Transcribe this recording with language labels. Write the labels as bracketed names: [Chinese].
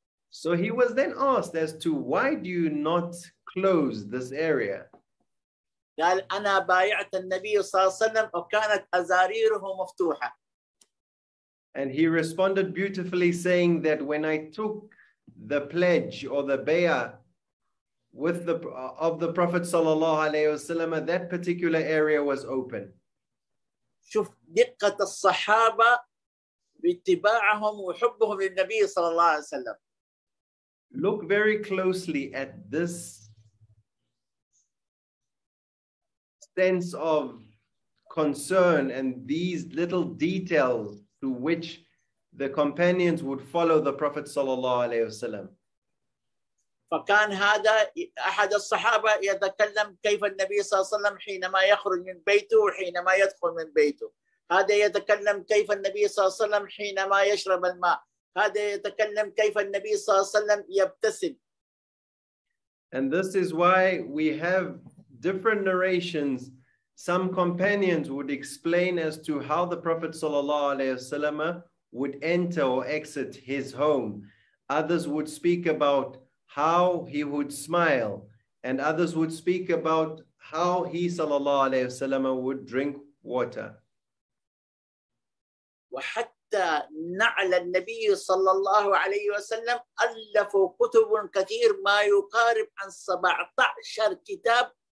[English] So he was then asked as to why do you not close this area? [Arabic] قال أنا بايعت النبي صلى الله عليه وسلم وكانت أزاريره مفتوحة. [English] And he responded beautifully, saying that when I took the pledge or the bayah with the of the Prophet [Arabic] صلى الله عليه وسلم, [English] that particular area was open. [Arabic] شوف دقة الصحابة باتباعهم وحبهم للنبي صلى الله عليه وسلم. [English] Look very closely at this sense of concern and these little details to which the companions would follow the Prophet [Arabic] sallallahu alaihi wasallam. فكان هذا أحد الصحابة يتكلم كيف النبي صلى الله عليه وسلم حينما يخرج من بيته وحينما يدخل من بيته. هذا يتكلم كيف النبي صلى الله عليه وسلم حينما يشرب الماء. هذا يتكلم كيف النبي صلى الله عليه وسلم يبتسم. [English] And this is why we have different narrations. Some companions would explain as to how the Prophet [Arabic] sallallahu alaihi wasallam [English] would enter or exit his home. Others would speak about how he would smile, and others would speak about how he [Arabic] sallallahu alaihi wasallam [English] would drink water. [Arabic] وحتى نعل النبي صلى الله عليه وسلم ألف كتب كثير ما يقارب عن 17 كتاب.